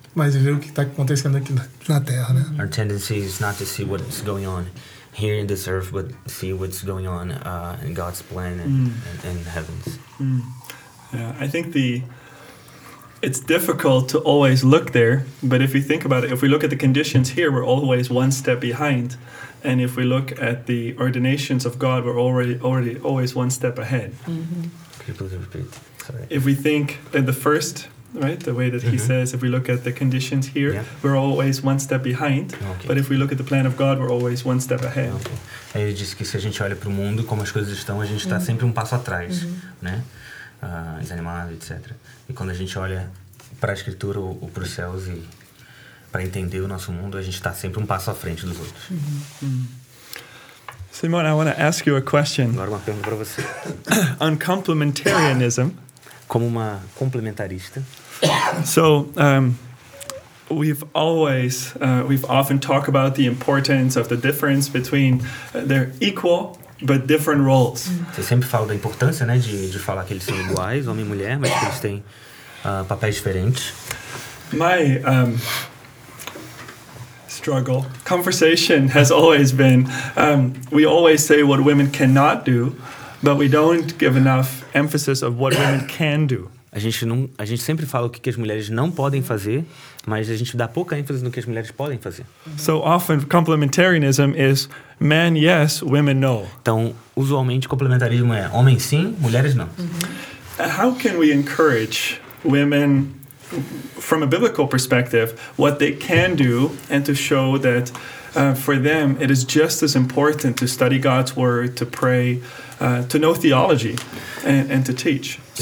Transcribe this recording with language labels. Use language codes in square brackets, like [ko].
[pt] mas ver o que está acontecendo aqui na Terra, né? [en] Our tendency is not to see what's going on here in this earth, but see what's going on in God's plan and in heavens. Yeah, I think it's difficult to always look there, but if you think about it, if we look at the conditions here, we're always one step behind. And if we look at the ordinations of God, we're already always one step ahead. Mm-hmm. Could you please repeat? Sorry. If we think in the first, right, the way that he says, if we look at the conditions here, we're always one step behind. Okay. But if we look at the plan of God, we're always one step ahead. Okay. [pt] Ele disse que se a gente olha para o mundo como as coisas estão, a gente está sempre um passo atrás, né? Desanimado, etc. E quando a gente olha para a Escritura ou para os céus e para entender o nosso mundo, a gente está sempre um passo à frente dos outros. Mm-hmm. [en] Simone, I want to ask you a question. [pt] Agora uma pergunta para você. [en] On complementarianism. [pt] Como uma complementarista. [en] So, we've often talked about the importance of the difference between they're equal but different roles. [pt] Você sempre fala da importância, né, de falar que eles são iguais, homem e mulher, mas que eles têm papéis diferentes. [en] My struggle conversation has always been we always say what women cannot do, but we don't give enough emphasis of what women can do. [pt] A gente sempre fala o que as mulheres não podem fazer, mas a gente dá pouca ênfase no que as mulheres podem fazer. [en] So often complementarianism is men yes, women no. [pt] Então, usualmente complementarismo é homens sim, mulheres não. Mm-hmm. [en] How can we encourage women from a biblical perspective what they can do and to show that for them it is just as important to study God's word, to pray, to know theology and to teach.